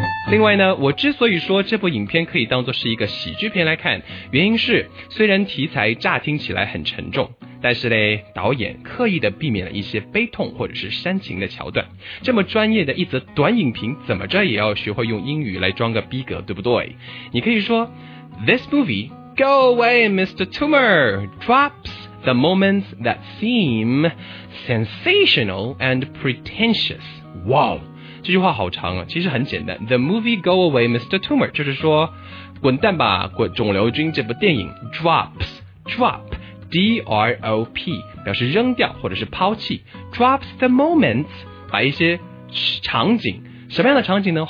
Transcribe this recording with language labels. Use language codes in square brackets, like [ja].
[zh] 另外呢，我之所以说这部影片可以当作是一个喜剧片来看，原因是虽然题材乍听起来很沉重，但是呢，导演刻意的避免了一些悲痛或者是煽情的桥段。这么专业的一则短影评，怎么着也要学会用英语来装个逼格，对不对？你可以说 [en] This movieGo away, Mr. Toomer! Drops the moments that seem sensational and pretentious. Wow! [zh] 这句话好长啊，其实很简单。 The movie Go Away, Mr. Toomer, 就是说滚蛋吧滚肿瘤君这部电影 drops, drop, D-R-O-P, 表示扔掉或者是抛弃 [en] drops the moments, [zh] 把一些场景，什么样的场景呢？